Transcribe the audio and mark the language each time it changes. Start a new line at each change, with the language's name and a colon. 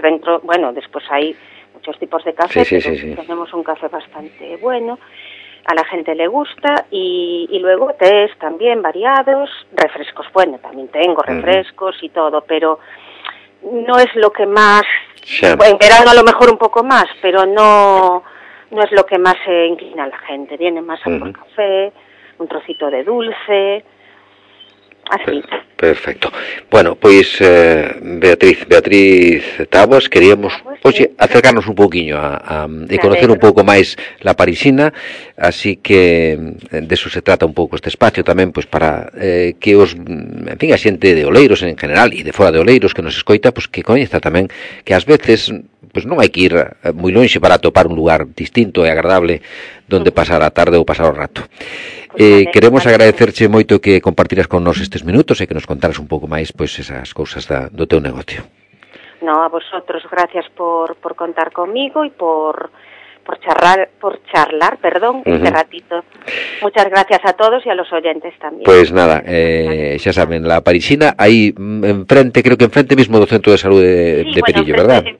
Spanish: Dentro, bueno, después hay muchos tipos de café, tenemos un café bastante bueno, a la gente le gusta, y luego tés también variados, refrescos, bueno, también tengo refrescos y todo, pero no es lo que más, en verano a lo mejor un poco más, pero no es lo que más se inclina a la gente, viene más a por café, un trocito de dulce, así. Perfecto.
Galician: Bueno, pues Beatriz Taboas, queríamos acercarnos un poquinho a conocer un pouco máis la parisina, así que
Spanish: de eso se trata
Galician: un pouco este espacio tamén, pues para que os, en fin, a xente de Oleiros en general e de fora de Oleiros que nos escoita, pues que coñeza tamén que ás veces pues non hai que ir moi longe para topar un lugar distinto e agradable donde pasar a tarde ou pasar o rato. Queremos agradecerche moito que compartiras con nos estes minutos e que nos contaras un pouco máis pois esas cousas do teu negocio.
Spanish: No, a vosotros gracias por contar conmigo e por por charlar, este ratito. Muchas gracias a todos y a los oyentes también. Pues nada, ya saben, la parisina ahí enfrente, creo que enfrente mismo del centro de salud de, Perillo, ¿verdad?